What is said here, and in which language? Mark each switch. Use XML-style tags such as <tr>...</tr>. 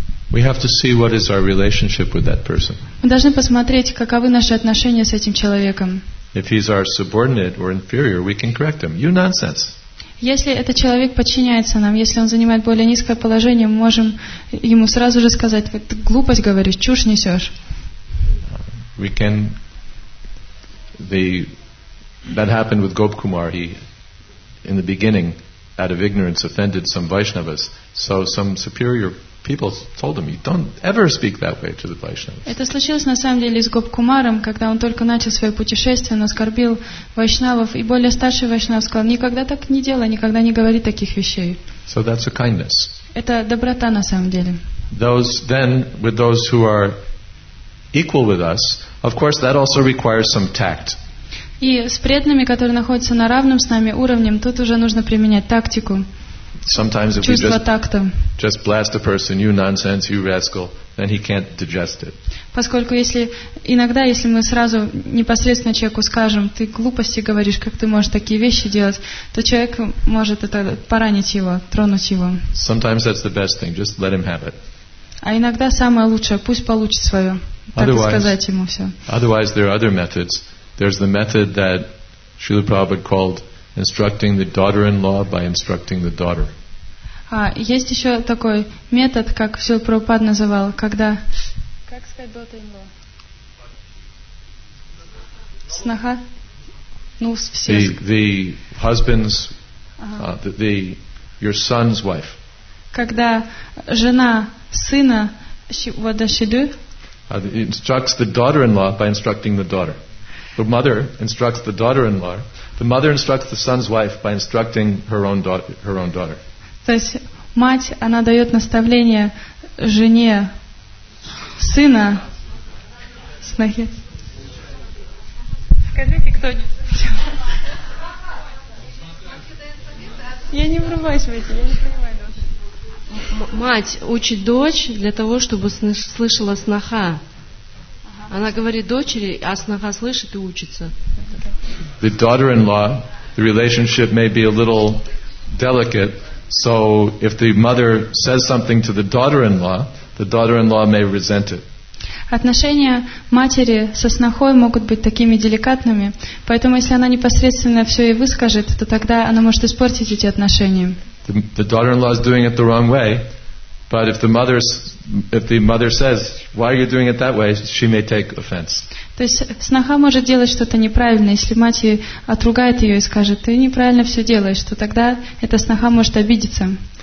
<en>We have to see what is our relationship with that person.</en> <ru>Мы должны посмотреть, каковы наши отношения с этим человеком.</ru> <en>If he's our subordinate or inferior, we can correct him. You nonsense.</en> <ru>Если этот человек подчиняется нам, если он занимает более низкое положение, мы можем ему сразу же сказать: вот, глупость говоришь, чушь несешь.</ru> <en>We can. That happened with Gop Kumar. He, in the beginning, out of ignorance, offended some Vaishnavas. So some superior people told him, "You don't ever speak that way to the Vaishnavas."</en> <ru>Это случилось на самом деле с Гоп Кумаром, когда он только начал свое путешествие, он оскорбил вайшнавов, и более старший вайшнав сказал: "Никогда так не делай, никогда не говори таких вещей."</ru> <en>So that's a kindness.</en> <ru>Это доброта на самом деле.</ru> <en>Those then with those who are equal with us, of course, that also requires some tact.</en> <ru>И с преданными, которые находятся на равном с нами уровне, тут уже нужно применять тактику.</ru> <en>Sometimes if</en> <ru>чувство</ru> <en>we just,</en> <ru>такта.</ru> <en>Just blast a person, you nonsense, you rascal, then he can't digest it.</en> <ru>Поскольку если иногда, если мы сразу непосредственно человеку скажем, ты глупости говоришь, как ты можешь такие вещи делать, то человек может это поранить его, тронуть его.</ru> <en>Sometimes that's the best thing, just let him have it.</en> <ru>А иногда самое лучшее, пусть получит свое, так и сказать ему все.</ru> <en>Otherwise there are other methods. There's the method that Srila Prabhupada called instructing the daughter-in-law by instructing the daughter.</en> <ru>Есть еще такой метод, как Шрила Прабхупада называл, когда... Как сказать daughter-in-law? Сноха? Ну, все...</ru> <en>The husband's... Your son's wife.</en> <ru>Когда жена сына...</ru> <en>What does she do? Instructs the daughter-in-law by instructing the daughter. The mother instructs the daughter-in-law. The mother instructs the son's wife by instructing her own daughter.</en> <ru>То есть мать, она дает наставление жене сына. Снохи. Скажите кто-нибудь. Я не врубаюсь в эти, я не понимаю. Мать учит дочь для того, чтобы слышала сноха. Она говорит дочери, а сноха слышит и учится.</ru> <en>The daughter-in-law, the relationship may be a little delicate, so if the mother says something to the daughter-in-law may resent it.</en> <ru>Отношения матери со снохой могут быть такими деликатными, поэтому если она непосредственно все ей выскажет, то тогда она может испортить эти отношения.</ru> <en>The daughter-in-law is doing it the wrong way. But if the mother says, "Why are you doing it that way?" she may take offense.</en> <ru>То есть сноха может делать что-то неправильно, если мать ее отругает ее и скажет, ты неправильно все делаешь, то тогда эта сноха может обидеться.</ru>